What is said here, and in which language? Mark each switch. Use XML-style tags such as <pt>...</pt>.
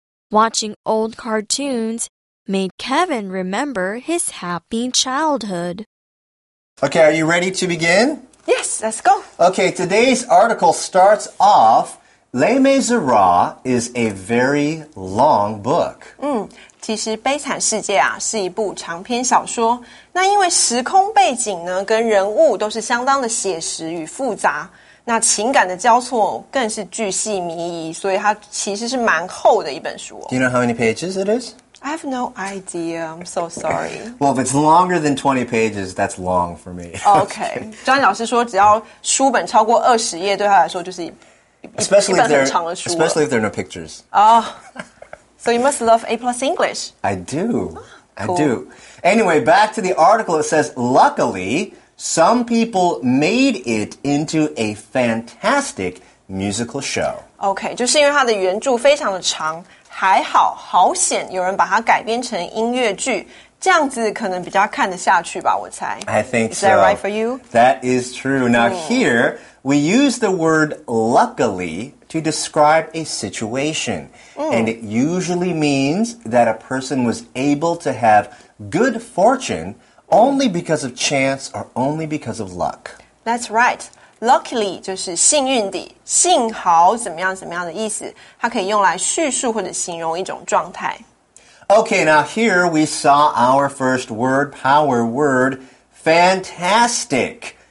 <en>Watching old cartoons made Kevin remember his happy childhood. Okay, are you ready to begin? Yes, let's go. Okay, today's article starts off, Les Miserables is a very long book. Mm.</en> <zh>其实《悲惨世界》啊是一部长篇小说，那因为时空背景呢跟人物都是相当的写实与复杂，那情感的交错更是巨细靡遗，所以它其实是蛮厚的一本书。</zh> <en>Do you know how many pages it is? I have no idea. I'm so sorry. Well, if it's longer than 20 pages, that's long for me. Okay.</en> <zh>张老师说只要书本超过20页对他来说就是一本很长的书了。</zh> <en>Especially if there are no pictures. Oh,So you must love A-plus English. I do. I do. Anyway, back to the article. It says, luckily, some people made it into a fantastic musical show.</en> <zh>Okay, 就是因为它的原著非常的长，还好，好险有人把它改编成音乐剧，这样子可能比较看得下去吧，我猜。</zh> <en>I think so. Is that right for you? That is true. Now here, we use the word luckily. To describe a situation, and it usually means that a person was able to have good fortune only because of chance or only because of luck. That's right.</en> <zh>luckily 就是幸运地，幸好怎么样怎么样的意思，它可以用来叙述或者形容一种状态。</zh> <en>Okay, now here we saw our first word, power word, fantastic.</en>